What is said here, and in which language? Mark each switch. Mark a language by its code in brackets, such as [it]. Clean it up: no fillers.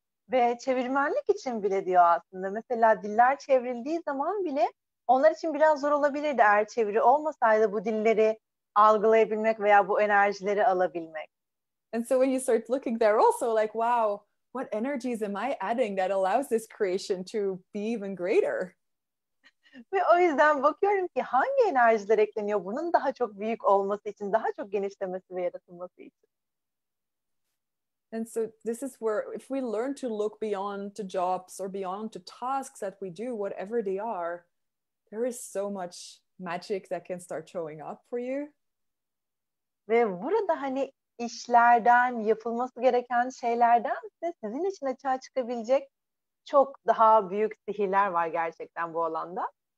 [tr] Ve çevirmenlik için bile diyor aslında. Mesela diller çevrildiği zaman bile onlar için biraz zor olabilirdi eğer çeviri olmasaydı bu dilleri algılayabilmek veya bu enerjileri alabilmek. [en] And so when you start looking there also like, wow, what energies am I adding that allows this creation to be even greater? [tr] Ve o yüzden bakıyorum ki hangi enerjiler ekleniyor bunun daha çok büyük olması için, daha çok genişlemesi ve yaratılması için. [en] And so this is where, if we learn to look beyond the jobs or beyond the tasks that we do, whatever they are, there is so much magic that can start showing up for you. [tr] Ve burada hani işlerden, yapılması gereken şeylerden de sizin için açığa çıkabilecek çok daha büyük sihirler var gerçekten bu alanda.